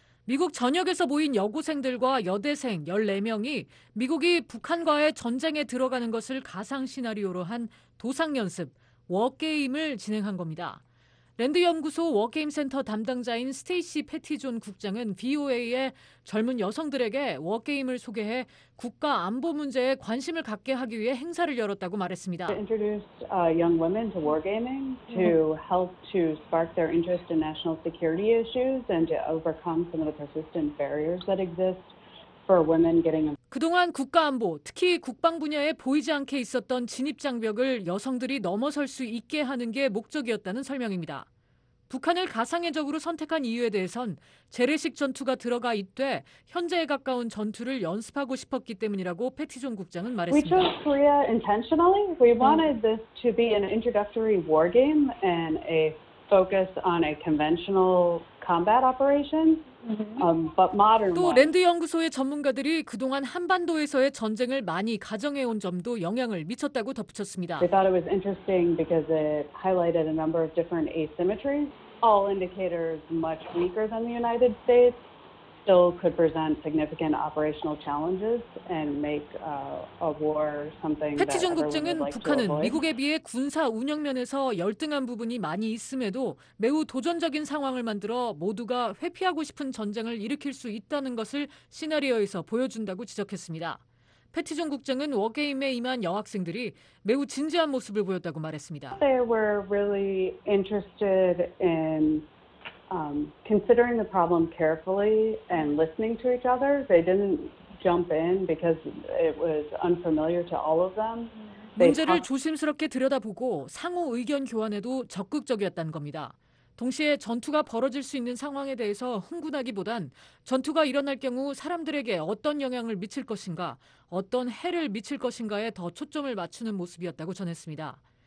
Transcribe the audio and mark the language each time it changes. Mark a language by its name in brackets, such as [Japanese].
[Korean] 미국 전역에서 모인 여고생들과 여대생 14명이 미국이 북한과의 전쟁에 들어가는 것을 가상 시나리오로 한 도상 연습, 워게임을 진행한 겁니다. 랜드 연구소 워게임 센터 담당자인 스테이시 패티존 국장은 VOA에 젊은 여성들에게 워게임을 소개해 국가 안보 문제에 관심을 갖게 하기 위해 행사를 열었다고 말했습니다. [English] Introduced young women to wargaming to help to spark their interest in national security issues and to overcome some of the persistent barriers that exist for women getting. [Korean] 그동안 국가 안보, 특히 국방 분야에 보이지 않게 있었던 진입 장벽을 여성들이 넘어설 수 있게 하는 게 목적이었다는 설명입니다. 북한을 가상의적으로 선택한 이유에 대해선 재래식 전투가 들어가 있되 현재에 가까운 전투를 연습하고 싶었기 때문이라고 패티존 국장은 말했습니다. [English] We chose Korea intentionally. We wanted this to be an introductory war game and a focus on a conventional combat operation. But modern [Korean] 또 랜드 연구소의 전문가들이 그동안 한반도에서의 전쟁을 많이 가정해온 점도 영향을 미쳤다고 덧붙였습니다. [English] They thought it was interesting because it highlighted a number of different asymmetries. All indicators much weaker than the United States still could present significant operational challenges and make a war something. [Korean] 패티존 국장은 북한은 미국에 비해 군사 운영 면에서 열등한 부분이 많이 있음에도 매우 도전적인 상황을 만들어 모두가 회피하고 싶은 전쟁을 일으킬 수 있다는 것을 시나리오에서 보여준다고 지적했습니다. 패티존 국장은 워게임에 임한 여학생들이 매우 진지한 모습을 보였다고 말했습니다. [English] They were really interested in considering the problem carefully and listening to each other. They didn't jump in because it was unfamiliar to all of them. [Korean] 문제를 조심스럽게 들여다보고 상호 의견 교환에도 적극적이었다는 겁니다. 동시에 전투가 벌어질 수 있는 상황에 대해서 흥분하기보단 전투가 일어날 경우 사람들에게 어떤 영향을 미칠 것인가, 어떤 해를 미칠 것인가에 더 초점을 맞추는 모습이었다고 전했습니다.